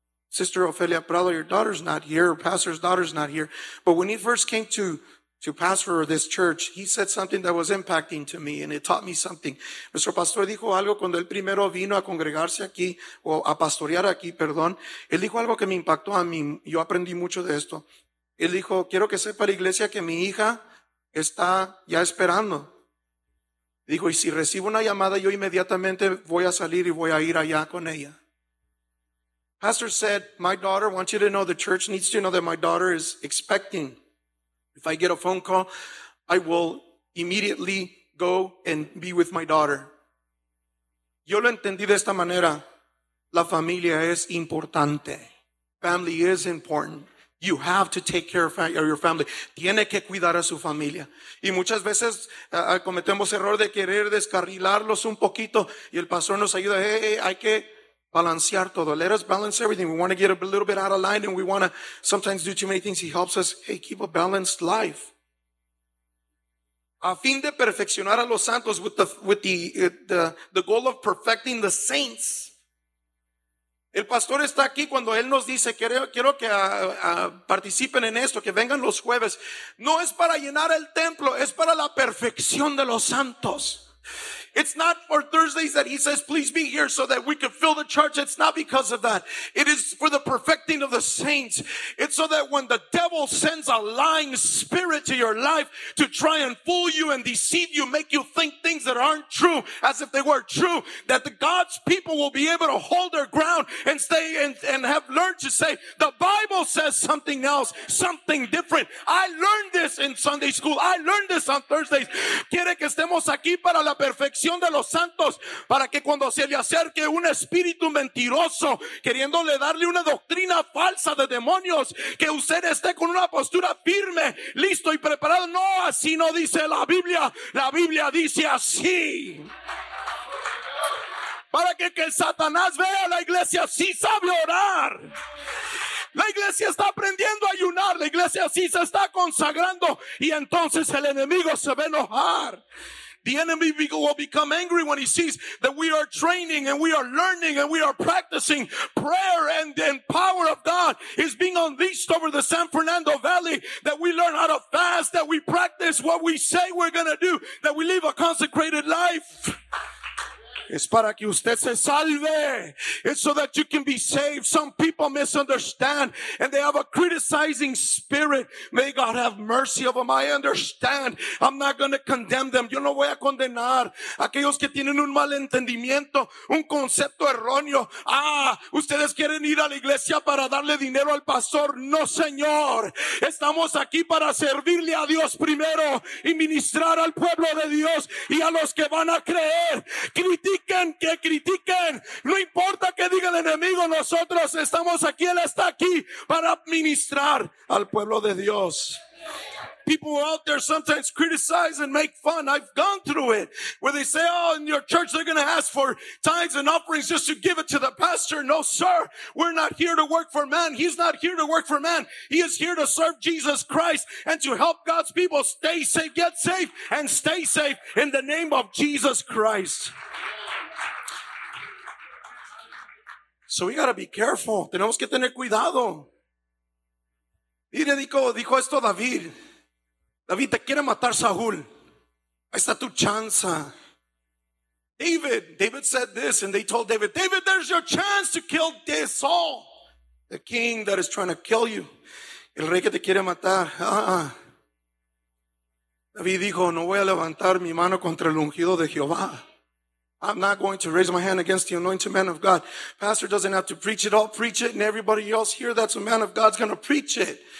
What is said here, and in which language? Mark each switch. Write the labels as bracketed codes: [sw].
[en] Sister Ophelia Prado, your daughter's not here, pastor's daughter's not here. But when he first came to pastor this church, he said something that was impacting to me, and it taught me something. [es] Nuestro pastor dijo algo cuando él primero vino a congregarse aquí, o a pastorear aquí, perdón. Él dijo algo que me impactó a mí. Yo aprendí mucho de esto. Él dijo, quiero que sepa la iglesia que mi hija está ya esperando. Dijo, y si recibo una llamada, yo inmediatamente voy a salir y voy a ir allá con ella. [en] Pastor said, my daughter, I want you to know the church needs to know that my daughter is expecting. If I get a phone call, I will immediately go and be with my daughter. [es] Yo lo entendí de esta manera. La familia es importante. [en] Family is important. You have to take care of your family. [es] Tiene que cuidar a su familia. Y muchas veces cometemos error de querer descarrilarlos un poquito. Y el pastor nos ayuda. Hey, hay que balancear todo. [en] Let us balance everything. We want to get a little bit out of line and we want to sometimes do too many things. He helps us. Hey, keep a balanced life. [es] A fin de perfeccionar a los santos [en] with the goal of perfecting the saints. [es] El pastor está aquí cuando él nos dice, quiero que participen en esto, que vengan los jueves. No es para llenar el templo, es para la perfección de los santos. [en] It's not for Thursdays that he says, please be here so that we can fill the church. It's not because of that. It is for the perfecting of the saints. It's so that when the devil sends a lying spirit to your life to try and fool you and deceive you, make you think things that aren't true as if they were true, that the God's people will be able to hold their ground and stay and have learned to say, the Bible says something else, something different. I learned this in Sunday school. I learned this on Thursdays. [es] Quiere que estemos aquí para la perfección de los santos para que cuando se le acerque un espíritu mentiroso queriéndole darle una doctrina falsa de demonios que usted esté con una postura firme, listo y preparado. No, así no dice la Biblia. La Biblia dice así. Para que Satanás vea la iglesia sí sabe orar. La iglesia está aprendiendo a ayunar. La iglesia sí se está consagrando y entonces el enemigo se va a enojar. [en] The enemy will become angry when he sees that we are training and we are learning and we are practicing. Prayer and power of God is being unleashed over the San Fernando Valley, that we learn how to fast, that we practice what we say we're going to do, that we live a consecrated life. [es] Es para que usted se salve. [en] It's so that you can be saved. Some people misunderstand and they have a criticizing spirit. May God have mercy of them. I understand. I'm not going to condemn them. [es] Yo no voy a condenar aquellos que tienen un mal entendimiento, un concepto erróneo. Ah, ustedes quieren ir a la iglesia para darle dinero al pastor. No, señor. Estamos aquí para servirle a Dios primero y ministrar al pueblo de Dios y a los que van a creer. Critiquen, que critiquen. No importa que diga el enemigo, nosotros estamos aquí, él está aquí para ministrar al pueblo de Dios. [en] People out there sometimes criticize and make fun. I've gone through it where they say, oh, in your church, they're going to ask for tithes and offerings just to give it to the pastor. No, sir. We're not here to work for man. He's not here to work for man. He is here to serve Jesus Christ and to help God's people stay safe, get safe, and stay safe in the name of Jesus Christ. So we got to be careful. [es] Tenemos que tener cuidado. Mire, dijo esto David. David, te quiere matar Saúl. Ahí está tu chance. [en] David said this, and they told David, David, there's your chance to kill this Saul, the king that is trying to kill you. [es] El rey que te quiere matar. David dijo, no voy a levantar mi mano contra el ungido de Jehová. [en] I'm not going to raise my hand against the anointed man of God. Pastor doesn't have to preach it. I'll preach it, and everybody else here that's a man of God's going to preach it.